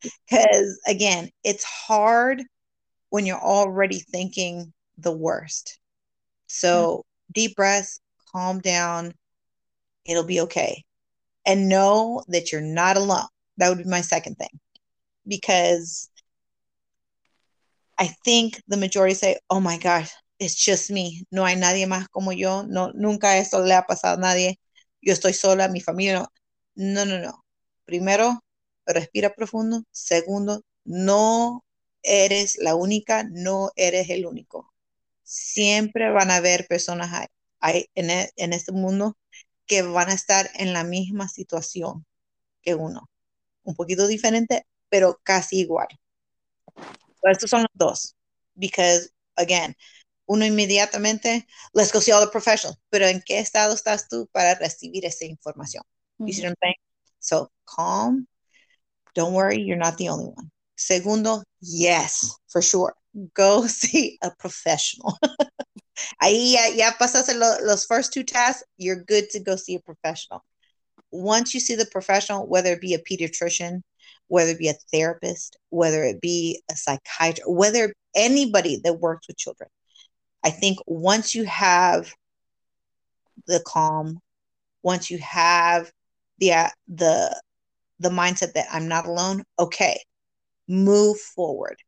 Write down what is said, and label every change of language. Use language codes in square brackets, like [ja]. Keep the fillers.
[en] because again it's hard when you're already thinking the worst so deep breaths calm down it'll be okay and know that you're not alone that would be my second thing because I think the majority say, oh my gosh, it's just me. [es] No hay nadie más como yo. No, nunca eso le ha pasado a nadie. Yo estoy sola, mi familia. No, no, no. no. Primero, respira profundo. Segundo, no eres la única, no eres el único. Siempre van a haber personas ahí, ahí en, e- en este mundo que van a estar en la misma situación que uno. Un poquito diferente, pero casi igual. Pero estos son los dos. [en] Because, again, [es] uno inmediatamente, [en] let's go see all the professionals. [es] Pero ¿en qué estado estás tú para recibir esa información? [en] You see Mhm. what I'm saying? So, calm. Don't worry, you're not the only one. Segundo, yes, for sure. Go see a professional. [es] Ahí ya, ya pasaste lo- los [en] first two tasks. You're good to go see a professional. Once you see the professional, whether it be a pediatrician, whether it be a therapist, whether it be a psychiatrist, whether anybody that works with children, I think once you have the calm, once you have the uh, the the mindset that I'm not alone, okay, move forward.